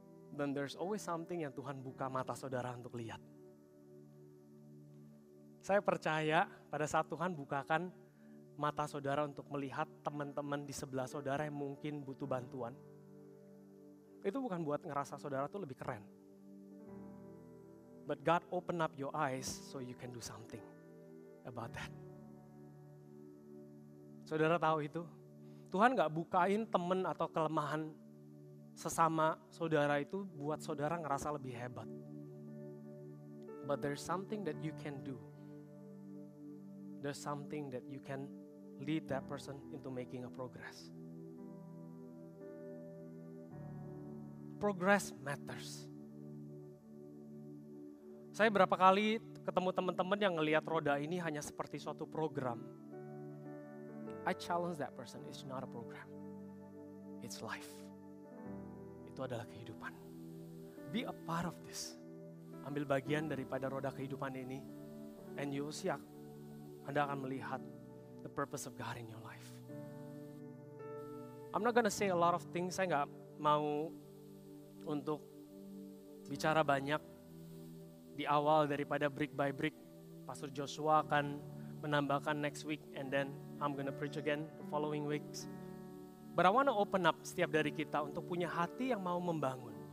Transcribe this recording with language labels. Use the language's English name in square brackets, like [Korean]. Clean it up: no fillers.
[English] then there's always something [Indonesian] yang Tuhan buka mata saudara untuk lihat. Saya percaya pada saat Tuhan bukakan mata saudara untuk melihat teman-teman di sebelah saudara yang mungkin butuh bantuan, itu bukan buat ngerasa saudara tuh lebih keren. [English] But God open up your eyes so you can do something about that. [Indonesian] Saudara tahu itu? Tuhan gak bukain teman atau kelemahan sesama saudara itu buat saudara ngerasa lebih hebat. [English] But there's something that you can do. There's something that you can lead that person into making a progress. Progress matters. [Indonesian] Saya berapa kali ketemu teman-teman yang ngelihat roda ini hanya seperti suatu program. [English] I challenge that person, it's not a program. It's life. [Indonesian] Itu adalah kehidupan. [English] Be a part of this. [Indonesian] Ambil bagian daripada roda kehidupan ini. [English] And you'll see, [Indonesian] Anda akan melihat [English] the purpose of God in your life. I'm not gonna say a lot of things. [Indonesian] Saya gak mau untuk bicara banyak. Di awal daripada brick by brick, Pastor Joshua akan menambahkan next week, [English] and then I'm gonna preach again the following weeks. But I wanna open up [Indonesian] setiap dari kita untuk punya hati yang mau membangun.